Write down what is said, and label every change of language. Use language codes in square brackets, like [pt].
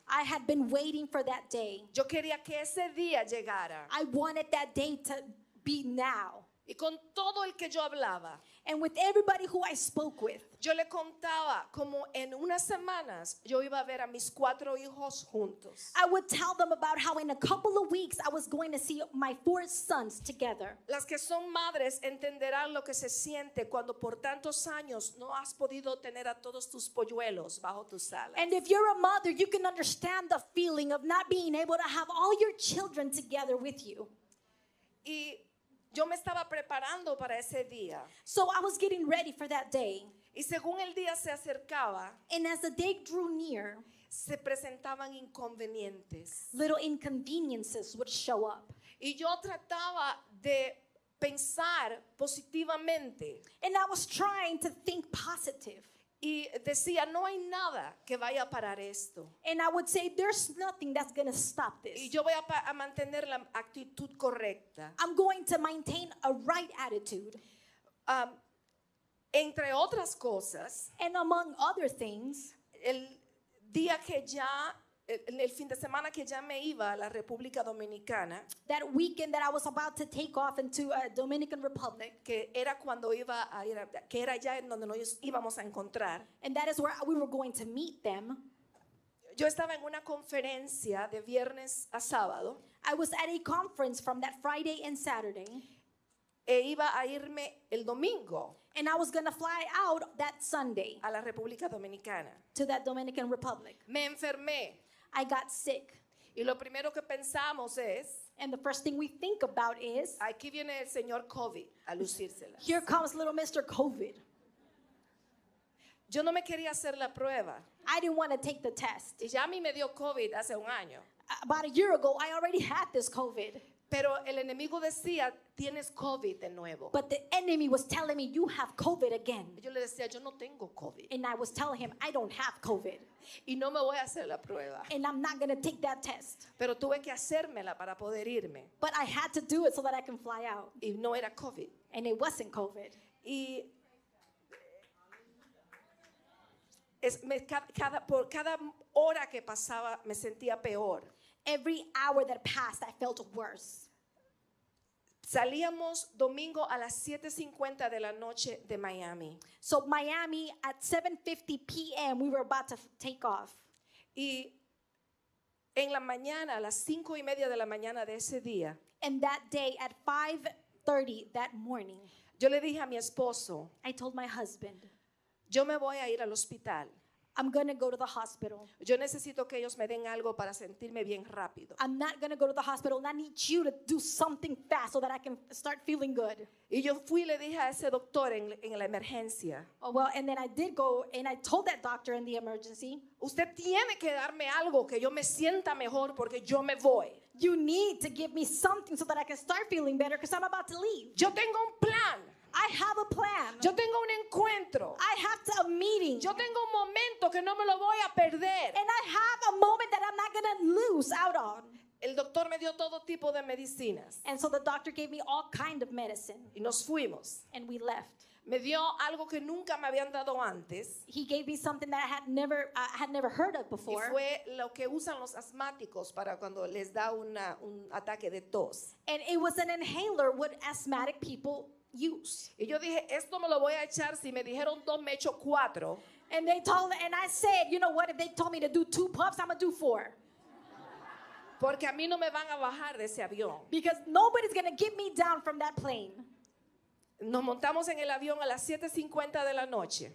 [en] I had been waiting for that day. [es] Yo quería que ese día llegara. [en] I wanted that day to be now. [es] Y con todo el que yo hablaba. [en] And with everybody who I spoke with. [es] Yo le contaba como en unas semanas yo iba a ver a mis 4 hijos juntos. [en] I would tell them about how in a couple of weeks I was going to see my 4 sons together. [es] Las que son madres entenderán lo que se siente cuando por tantos años no has podido tener a todos tus polluelos bajo tus alas. [en] And if you're a mother, you can understand the feeling of not being able to have all your children together with you. [es] Y yo me estaba preparando para ese día. [en] So I was getting ready for that day. [es] Y según el día se acercaba, [en] and as the day drew near, [es] se presentaban inconvenientes. [en] Little inconveniences would show up. [es] Y yo trataba de pensar positivamente. [en] And I was trying to think positive. [es] Y decía, no hay nada que vaya a parar esto. [en] And I would say, there's nothing that's going to stop this. [es] Y yo voy a mantener la actitud correcta. [en] I'm going to maintain a right attitude. [es] Entre otras cosas. [en] And among other things. [es] El día que ya En el fin de semana que ya me iba a la República Dominicana, [en] that weekend that I was about to take off into a Dominican Republic, [es] que era cuando iba a ir, que era allá en donde nos íbamos a encontrar, [en] and that is where we were going to meet them. [es] Yo estaba en una conferencia de viernes a sábado. [en] I was at a conference from that Friday and Saturday. [es] E iba a irme el domingo. [en] And I was going to fly out that Sunday. [es] A la República Dominicana. [en] To that Dominican Republic. [es] Me enfermé. [en] I got sick. [es] Y lo primero que pensamos es, [en] and the first thing we think about is, [es] aquí viene el señor COVID a lucírselas. [en] Here comes little Mr. COVID. [es] Yo no me quería hacer la prueba. [en] I didn't want to take the test. [es] Y ya a mí me dio COVID hace un año. [en] About a year ago, I already had this COVID. [es] Pero el enemigo decía, tienes COVID de nuevo. [en] But the enemy was telling me, you have COVID again. [es] Yo le decía, yo no tengo COVID. [en] And I was telling him, I don't have COVID. [es] Y no me voy a hacer la prueba. [en] And I'm not going to take that test. [es] Pero tuve que hacérmela para poder irme. [en] But I had to do it so that I can fly out. [es] Y no era COVID. [en] And it wasn't COVID. [es] Y es, me, cada, por cada hora que pasaba, me sentía peor. [en] Every hour that passed, I felt worse. [es] Salíamos domingo a las 7:50 de la noche de Miami. [en] So Miami at 7:50 p.m. we were about to take off. [es] Y en la mañana a las 5:30 de la mañana de ese día. [en] And that day at 5:30 that morning. [es] Yo le dije a mi esposo. [en] I told my husband. [es] Yo me voy a ir al hospital. [en] I'm going to go to the hospital. [es] Yo necesito que ellos me den algo para sentirme bien rápido. [en] I'm not going to go to the hospital, and I need you to do something fast so that I can start feeling good. [es] Y yo fui y le dije a ese doctor en la emergencia. [en] Oh, well, and then I did go, and I told that doctor in the emergency. [es] Usted tiene que darme algo que yo me sienta mejor porque yo me voy. [en] You need to give me something so that I can start feeling better because I'm about to leave. [es] Yo tengo un plan. [en] I have a plan. [es] Yo tengo un encuentro. [en] I have a meeting. [es] Yo tengo un momento que no me lo voy a perder. [en] And I have a moment that I'm not going to lose out on. [es] El doctor me dio todo tipo de medicinas. [en] And so the doctor gave me all kind of medicine. [es] Y nos fuimos. [en] And we left. [es] Me dio algo que nunca me habían dado antes. [en] He gave me something that I had never heard of before. [es] Y fue lo que usan los asmáticos para cuando les da un ataque de tos. [en] And it was an inhaler what asthmatic people use. [es] Y yo dije, esto me lo voy a echar si me dijeron dos, me echo cuatro. [en] And they told, and I said, you know what, if they told me to do two puffs, I'm gonna do four. [es] Porque a mí no me van a bajar de ese avión. [en] Because nobody's gonna get me down from that plane. [es] Nos montamos en el avión a las 7:50 de la noche.